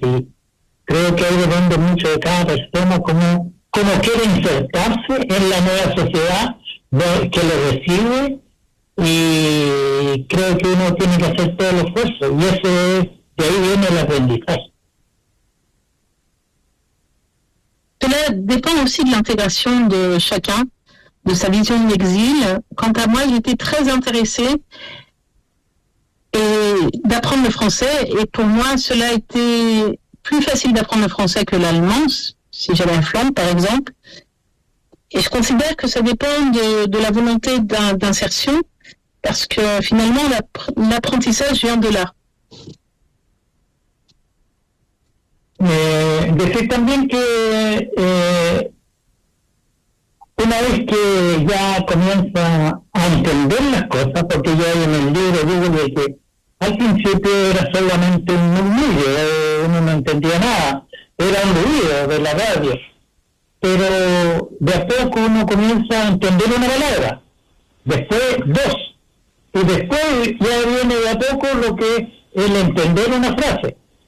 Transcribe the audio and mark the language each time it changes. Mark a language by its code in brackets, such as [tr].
[es] Y creo que ahí depende mucho de cada persona cómo quiere insertarse en la nueva sociedad que lo recibe, y creo que uno tiene que hacer todo el esfuerzo, y eso es, de ahí viene el aprendizaje. [fr] Cela dépend aussi de l'intégration de chacun, de sa vision de l'exil. Quant à moi, j'étais très intéressée d'apprendre le français, et pour moi, cela a été plus facile d'apprendre le français que l'allemand, si j'allais en Flandre, par exemple. Et je considère que ça dépend de la volonté d'insertion, parce que finalement, l'apprentissage vient de là. [es] Decir también que una vez que ya comienza a entender las cosas, porque yo en el libro digo de que al principio era solamente un murmullo, uno no entendía nada, era un ruido de la radio, pero de a poco uno comienza a entender una palabra, después dos, y después ya viene de a poco lo que es el entender una frase.